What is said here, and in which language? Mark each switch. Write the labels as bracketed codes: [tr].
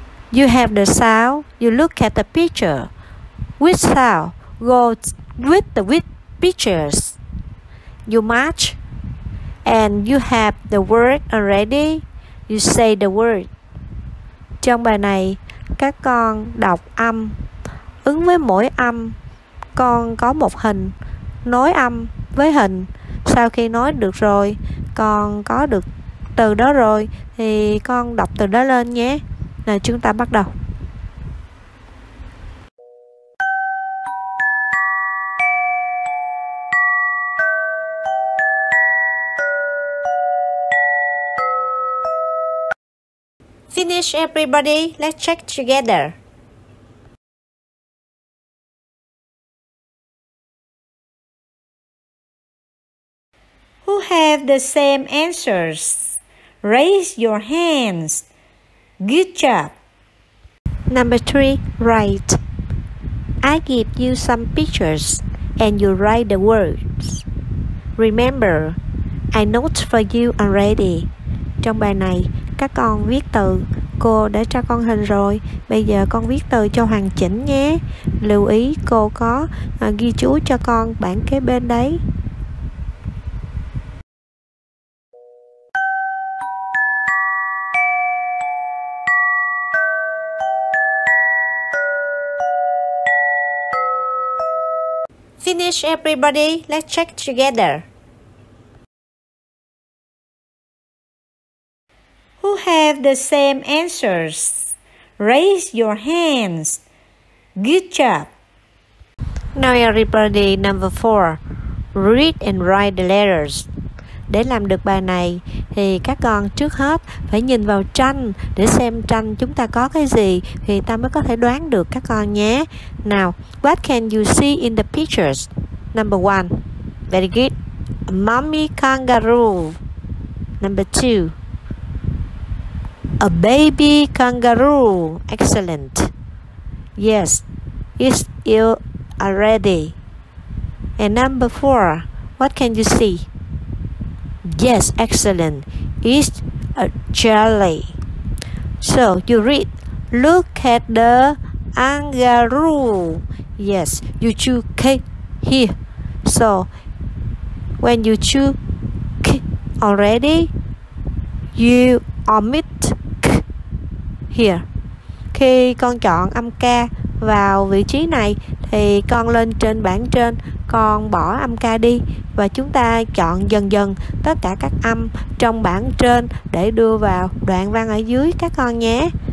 [en] You have the sound, you look at the picture. Which sound goes with the with pictures? You match, and you have the word already. You say the word. [vi] Trong bài này, các con đọc âm. Ứng với mỗi âm, con có một hình. Nối âm với hình. Sau khi nói được rồi, con có được từ đó rồi, thì con đọc từ đó lên nhé. Nào chúng ta bắt đầu. [en] Finish everybody, let's check together. Who have the same answers? Raise your hands. Good job. Number three, write. I give you some pictures and you write the words. Remember, I note for you already. [vi] Trong bài này, các con viết từ. Cô đã cho con hình rồi. Bây giờ con viết từ cho hoàn chỉnh nhé. Lưu ý cô có ghi chú cho con bảng kế bên đấy. [en] Finish everybody, let's check together. Who have the same answers? Raise your hands. Good job. Now everybody, number four. Read and write the letters. [vi] Để làm được bài này thì các con trước hết phải nhìn vào tranh để xem tranh chúng ta có cái gì thì ta mới có thể đoán được các con nhé. [en] Now, what can you see in the pictures? Number one, very good. A mommy kangaroo. Number two, a baby kangaroo. Excellent. Yes, it's ill already. And number four, what can you see? Yes, excellent. It's a jelly. So you read. Look at the kangaroo. Yes, you chew K here. So when you chew K already, you omit K here. [vi] Khi con chọn âm K vào vị trí này thì con lên trên bảng trên, con bỏ âm K đi và chúng ta chọn dần dần tất cả các âm trong bảng trên để đưa vào đoạn văn ở dưới các con nhé.